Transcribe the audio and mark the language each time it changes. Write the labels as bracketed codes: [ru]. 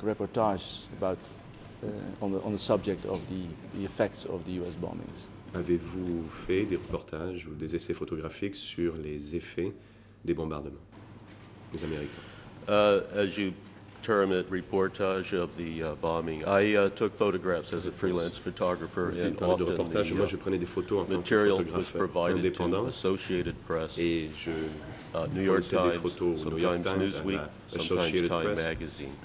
[en] reportage about on the subject of the effects of the U.S. bombings? [fr] Avez-vous fait des reportages ou des essais photographiques sur les effets des bombardements? Les Américains. [en] As you term it, reportage of the bombing. I took photographs as a freelance photographer, and often the material was provided to Associated Press, New York Times, sometimes Newsweek, sometimes Time Magazine.